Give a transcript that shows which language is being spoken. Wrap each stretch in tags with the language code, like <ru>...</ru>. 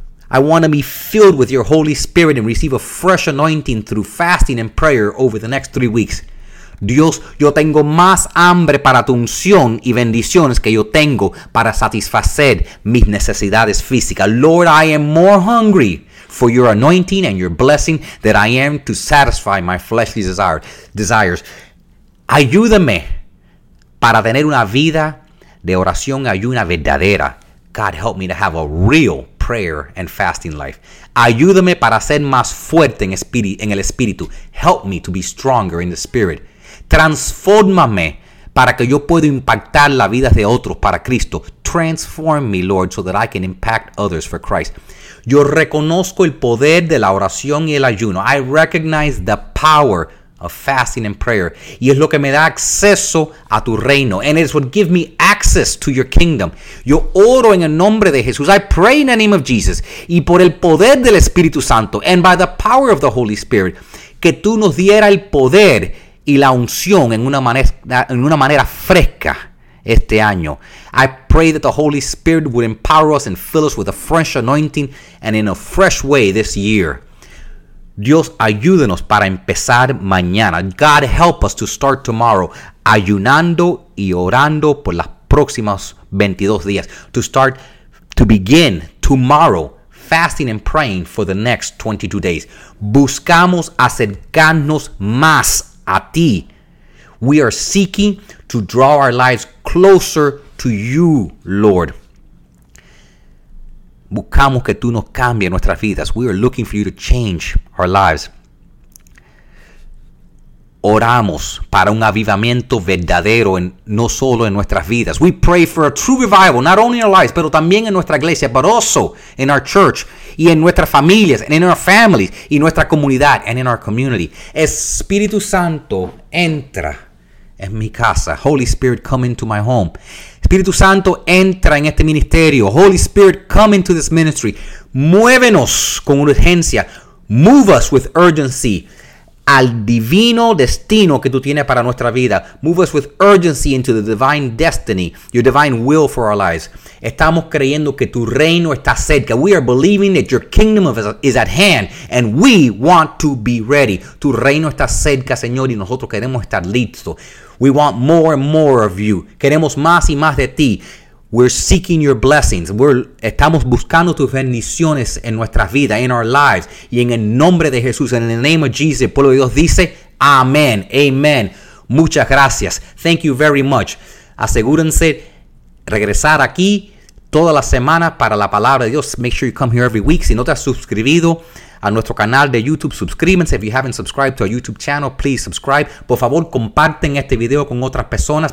<en>I want to be filled with your Holy Spirit and receive a fresh anointing through fasting and prayer over the next 3 weeks.</en> <es>Dios, yo tengo más hambre para tu unción y bendiciones que yo tengo para satisfacer mis necesidades físicas.</es> <en>Lord, I am more hungry for your anointing and your blessing than I am to satisfy my fleshly desires.</en> <es>Ayúdame para tener una vida de oración y ayuna verdadera.</es> <en>God, help me to have a real prayer and fasting life.</en> <es>Ayúdame para ser más fuerte en el espíritu.</es> <en>Help me to be stronger in the spirit.</en> <es>Transfórmame para que yo pueda impactar la vida de otros para Cristo.</es> <en>Transform me, Lord, so that I can impact others for Christ.</en> <es>Yo reconozco el poder de la oración y el ayuno.</es> <en>I recognize the power of fasting and prayer.</en> <es>Y es lo que me da acceso a tu reino.</es> <en>And it's what gives me access to your kingdom.</en> <es>Yo oro en el nombre de Jesús.</es> <en>I pray in the name of Jesus.</en> <es>Y por el poder del Espíritu Santo.</es> <en>And by the power of the Holy Spirit.</en> <es>Que tú nos diera el poder y la unción en una manera fresca este año.</es> <en>I pray that the Holy Spirit would empower us and fill us with a fresh anointing and in a fresh way this year.</en> <es>Dios, ayúdenos para empezar mañana.</es> <en>God, help us to start tomorrow</en> <es>ayunando y orando por las próximas 22 días.</es> <en>To begin tomorrow fasting and praying for the next 22 days.</en> <es>Buscamos acercarnos más a ti.</es> <en>We are seeking to draw our lives closer to you, Lord.</en> <es>Buscamos que tú nos cambies nuestras vidas.</es> <en>We are looking for you to change our lives.</en> <es>Oramos para un avivamiento verdadero en no solo en nuestras vidas.</es> <en>We pray for a true revival, not only in our lives,</en> <es>pero también en nuestra iglesia,</es> <en>but also in our church,</en> <es>y en nuestras familias,</es> <en>and in our families,</en> <es>y nuestra comunidad,</es> <en>and in our community.</en> <es>Espíritu Santo, entra en mi casa.</es> <en>Holy Spirit, come into my home.</en> <es>Espíritu Santo, entra en este ministerio.</es> <en>Holy Spirit, come into this ministry.</en> <es>Muévenos con urgencia.</es> <en>Move us with urgency</en> <es>al divino destino que tú tienes para nuestra vida.</es> <en>Move us with urgency into the divine destiny, your divine will for our lives.</en> <es>Estamos creyendo que tu reino está cerca.</es> <en>We are believing that your kingdom is at hand, and we want to be ready.</en> <es>Tu reino está cerca, Señor, y nosotros queremos estar listos.</es> <en>We want more and more of you.</en> <es>Queremos más y más de ti.</es> <en>We're seeking your blessings.</en> <es>Estamos buscando tus bendiciones en nuestras vidas,</es> <en>in our lives.</en> <es>Y en el nombre de Jesús,</es> <en>in the name of Jesus,</en> <es>el pueblo de Dios dice, amén, amén. Muchas gracias.</es> <en>Thank you very much.</en> <es>Asegúrense regresar aquí toda la semana para la palabra de Dios.</es> <en>Make sure you come here every week.</en> <es>Si no te has suscribido a nuestro canal de YouTube, suscríbanse.</es> <en>If you haven't subscribed to our YouTube channel, please subscribe.</en> <es>Por favor, comparten este video con otras personas.</es>